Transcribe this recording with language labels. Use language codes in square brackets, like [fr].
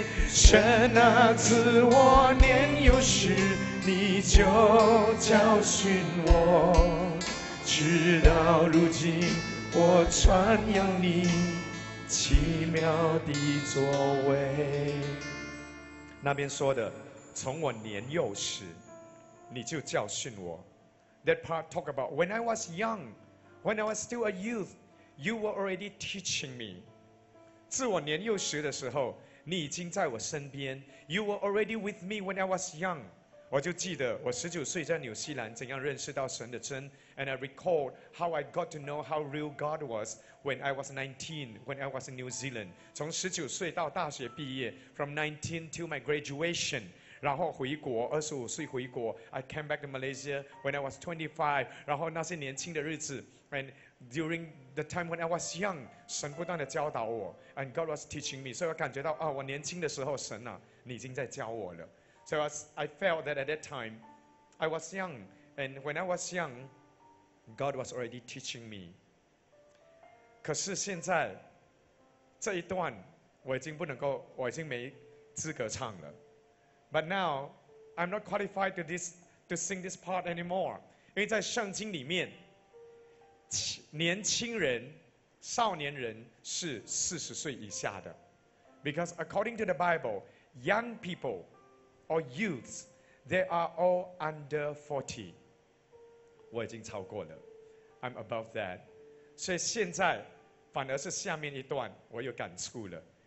[zh] 神啊，自我年幼时你就教训我，直到如今我传扬你奇妙的作为。那边说的，从我年幼时你就教训我。 [en] That part talk about when I was young, when I was still a youth, you were already teaching me. [zh] 自我年幼时的时候你已经在我身边。 [en] You were already with me when I was young. [zh] 我就记得我十九岁在纽西兰怎样认识到神的真。 [en] And I recall how I got to know how real God was when I was 19, when I was in New Zealand. [zh] 从十九岁到大学毕业， [en] from 19 till my graduation, [zh] 然后回国，二十五岁回国， [en] I came back to Malaysia when I was 25, [zh] 然后那些年轻的日子， [en] and during the time when I was young, [zh] 神不断地教导我， [en] and God was teaching me. [zh] 所以我感觉到，哦，我年轻的时候，神啊，你已经在教我了。 [en] So I felt that at that time, I was young, and when I was young,God was already teaching me. [zh] 可是现在这一段我已经不能够，我已经没资格唱了。 [en] But now I'm not qualified to sing this part anymore. [zh] 因为在圣经里面，年轻人少年人是40岁以下的。 [en] Because according to the Bible, young people or youths, they are all under 40. [zh] 我已经超过了， [en] I'm above that. [zh] 所以现在反而是下面一段我有感触了。